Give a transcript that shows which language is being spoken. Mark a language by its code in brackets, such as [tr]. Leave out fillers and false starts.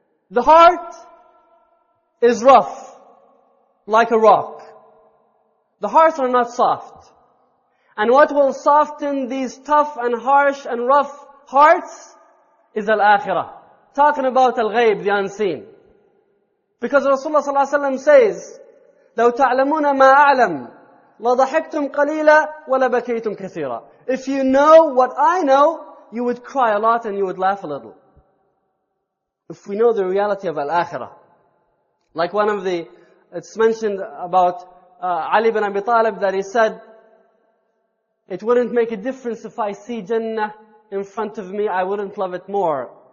[en] The heart is rough, like a rock. The hearts are not soft. And what will soften these tough and harsh and rough hearts is al-akhirah. Talking about al-ghayb, the unseen. Because Rasulullah sallallahu alayhi wa sallam says, [ar] لَوْ تَعْلَمُونَ مَا أَعْلَمْ لَضَحِكْتُمْ قَلِيلًا وَلَبَكَيْتُمْ كَثِيرًا. [en] If you know what I know, you would cry a lot and you would laugh a little. If we know the reality of al-akhirah. Like one of the, it's mentioned about Ali ibn Abi Talib that he said, it wouldn't make a difference if I see Jannah in front of me, I wouldn't love it more.